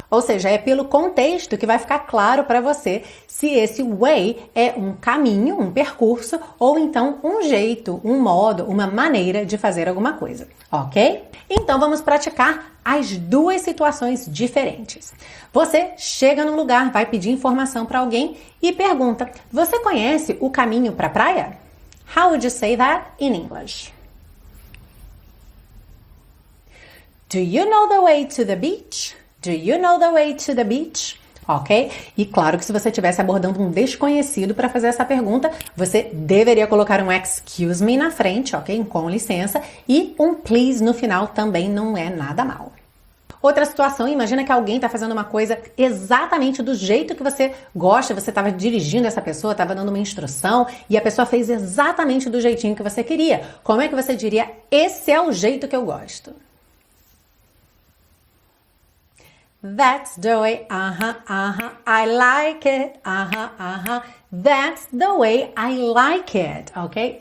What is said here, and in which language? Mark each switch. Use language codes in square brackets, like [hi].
[pt] Ou seja, é pelo contexto que vai ficar claro para você se esse way é um caminho, um percurso, ou então um jeito, um modo, uma maneira de fazer alguma coisa, ok? Então vamos praticar as duas situações diferentes. Você chega num lugar, vai pedir informação para alguém e pergunta: você conhece o caminho para a praia? [en] How would you say that in English? Do you know the way to the beach? Do you know the way to the beach? Ok? [pt] E claro que se você estivesse abordando um desconhecido para fazer essa pergunta, você deveria colocar um [en] excuse me [pt] na frente, ok? Com licença. E um please no final também não é nada mal. Outra situação, imagina que alguém está fazendo uma coisa exatamente do jeito que você gosta, você estava dirigindo essa pessoa, estava dando uma instrução e a pessoa fez exatamente do jeitinho que você queria. Como é que você diria: esse é o jeito que eu gosto? [en] That's the way, I like it, that's the way I like it, ok?